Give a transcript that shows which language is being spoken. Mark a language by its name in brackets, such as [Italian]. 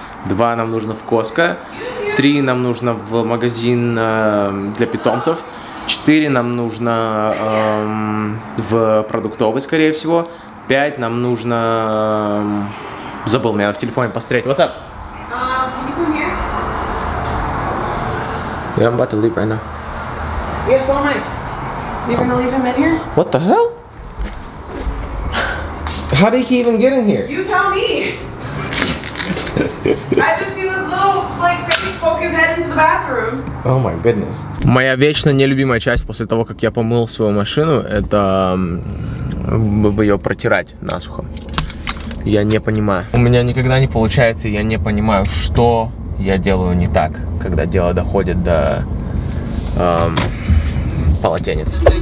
[Russian] Два, нам нужно в Коска. Три, нам нужно в магазин для питомцев. Четыре, нам нужно в продуктовый, скорее всего. Пять, нам нужно... Забыл, меня в телефоне пострелять. [English] What's up? Yeah, I'm about to leave right now. Yeah, so am I. You're gonna leave him in here? What the hell? How did he even get in here? You tell me! I just see this little, like, baby poke his head into the bathroom. Oh my goodness. [Russian] Моя вечно нелюбимая часть после того, как я помыл свою машину, это ее протирать насухо. Я не понимаю. У меня никогда не получается, я не понимаю, что я делаю не так, когда дело доходит до полотенец.